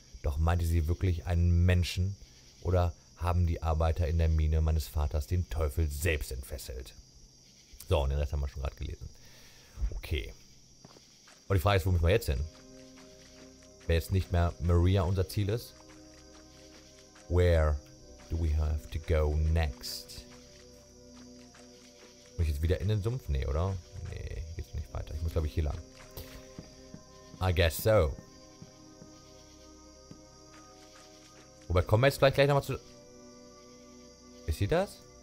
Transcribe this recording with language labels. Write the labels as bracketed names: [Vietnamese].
[German] Doch meinte sie wirklich einen Menschen? Oder haben die Arbeiter in der Mine meines Vaters den Teufel selbst entfesselt? So, und den Rest haben wir schon gerade gelesen. Okay. Und die Frage ist, wo müssen wir jetzt hin? Wenn jetzt nicht mehr Maria unser Ziel ist? [English] Where do we have to go next? [German] Muss ich jetzt wieder in den Sumpf? Nee, oder? Nee, hier geht's nicht weiter. Ich muss, glaube ich, hier lang. [English] I guess so. [German] Wobei, kommen wir jetzt gleich nochmal zu... Ist sie das?